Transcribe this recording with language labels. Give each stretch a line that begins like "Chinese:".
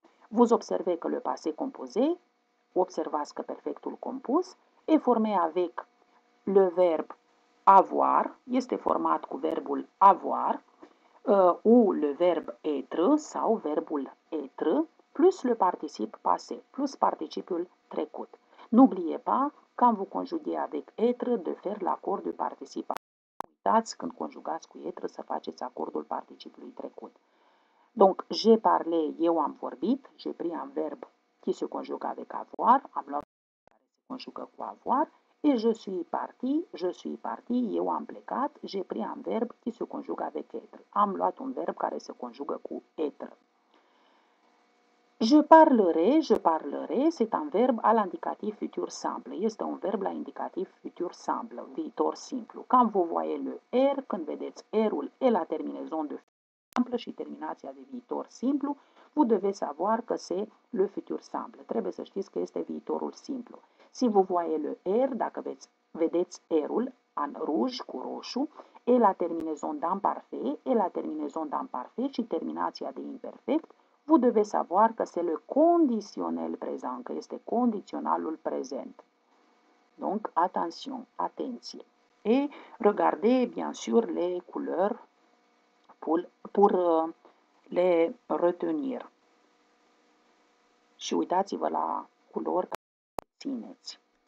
French: Vous observez que le passé composé,
Romanian: observați că perfectul compus,
French: est formé avec le verbe avoir,
Romanian: este format cu verbul
French: avoir, ou le verbe être
Romanian: sau verbul
French: être, plus le participe passé,
Romanian: plus participiul trecut.
French: N'oubliez pas, quand vous conjuguez avec être, de faire l'accord du participe.
Romanian: Uitați când conjugați cu être să faceți acordul participului trecut.
French: Donc, j'ai parlé,
Romanian: eu am vorbit,
French: j'ai pris un verbe qui se conjugue avec avoir,
Romanian: am luat care se conjugă cu
French: avoir, et je suis parti,
Romanian: eu am plecat,
French: j'ai pris un verbe qui se conjugue avec être.
Romanian: Am luat un verb care se conjugă cu être.
French: Je parlerai, c'est un verbe à l'indicatif futur simple.
Romanian: Este un verb la indicatif futur simple, viitor simplu.
French: Quand vous voyez le R,
Romanian: când vedeți R-ul,
French: e la terminaison de futur simplu și terminația de viitor simplu, vous devez savoir que c'est le futur simple.
Romanian: Trebuie să știți că este viitorul simplu.
French: Si vous voyez le R,
Romanian: dacă vedeți R-ul, în ruj, cu roșu,
French: e la terminaison d'imparfait,
Romanian: e la terminaison d'imparfait și terminația de imperfect,
French: vous devez savoir
Romanian: că c'est le conditionnel présent, că este condiționalul prezent. Donc, atenție.
French: Et regardez, bien sûr, les couleurs pour les retenir.
Romanian: Și uitați-vă la culori care le țineți.